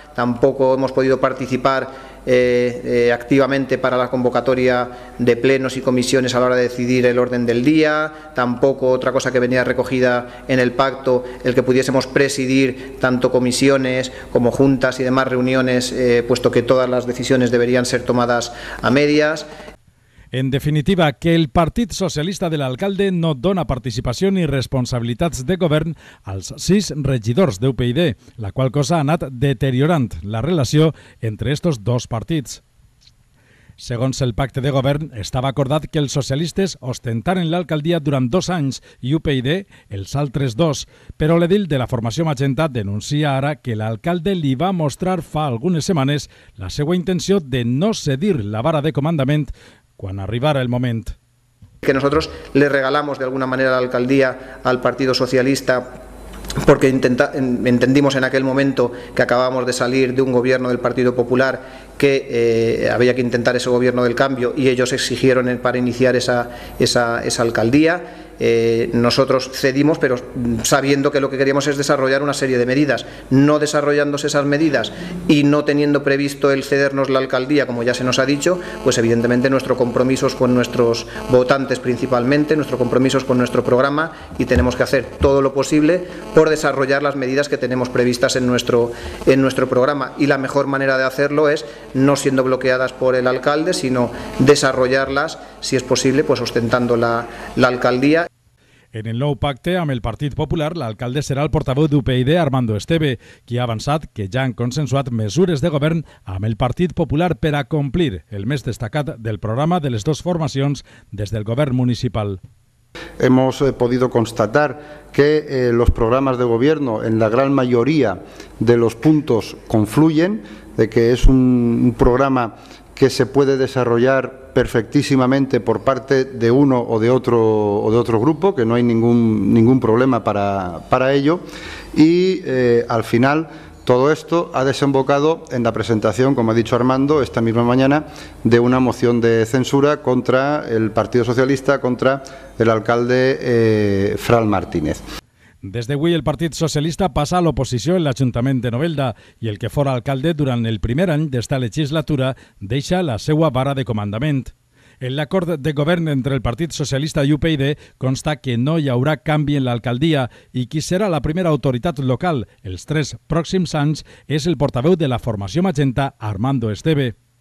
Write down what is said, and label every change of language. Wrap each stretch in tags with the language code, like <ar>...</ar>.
<es>Tampoco hemos podido participar activamente para la convocatoria de plenos y comisiones a la hora de decidir el orden del día, tampoco otra cosa que venía recogida en el pacto, el que pudiésemos presidir tanto comisiones como juntas y demás reuniones, puesto que todas las decisiones deberían ser tomadas a medias.</es> <ca>En definitiva, que el Partit Socialista de l'alcalde no dona participació ni responsabilitats de govern als 6 regidors d'UPyD, la qual cosa ha anat deteriorant la relació entre estos dos partits. Segons el pacte de govern, estava acordat que els socialistes ostentaren l'alcaldia durant 2 anys i UPyD els altres 2, però l'edil de la formació Magenta denuncia ara que l'alcalde li va mostrar fa algunes setmanes la seva intenció de no cedir la vara de comandament quan arribara el moment.</ca> <es>Que nosotros le regalamos de alguna manera la alcaldía al Partido Socialista porque entendimos en aquel momento que acabábamos de salir de un gobierno del Partido Popular que había que intentar ese gobierno del cambio y ellos exigieron para iniciar esa alcaldía. Nosotros cedimos, pero sabiendo que lo que queríamos es desarrollar una serie de medidas. No desarrollándose esas medidas y no teniendo previsto el cedernos la alcaldía, como ya se nos ha dicho, pues evidentemente nuestro compromiso es con nuestros votantes principalmente, nuestro compromiso es con nuestro programa y tenemos que hacer todo lo posible por desarrollar las medidas que tenemos previstas en nuestro programa. Y la mejor manera de hacerlo es no siendo bloqueadas por el alcalde, sino desarrollarlas, si es posible, pues ostentando la alcaldía.</es> <ca>En el nou pacte amb el Partit Popular, l'alcalde serà el portaveu d'UPyD, Armando Esteve, qui ha avançat que ja han consensuat mesures de govern amb el Partit Popular per a complir el més destacat del programa de les dues formacions des del govern municipal.</ca> <es>Hemos podido constatar que los programas de gobierno en la gran mayoría de los puntos confluyen, de que es un programa que se puede desarrollar perfectísimamente por parte de uno o de otro grupo, que no hay ningún problema para ello, y al final todo esto ha desembocado en la presentación, como ha dicho Armando, esta misma mañana, de una moción de censura contra el Partido Socialista, contra el alcalde Fran Martínez.</es> <ca>Des d'avui el Partit Socialista passa a l'oposició en l'Ajuntament de Novelda i el que fora alcalde durant el primer any d'esta legislatura deixa la seva vara de comandament. En l'acord de govern entre el Partit Socialista i UPyD consta que no hi haurà canvi en l'alcaldia i qui serà la primera autoritat local els tres pròxims anys és el portaveu de la formació magenta, Armando Esteve.</ca>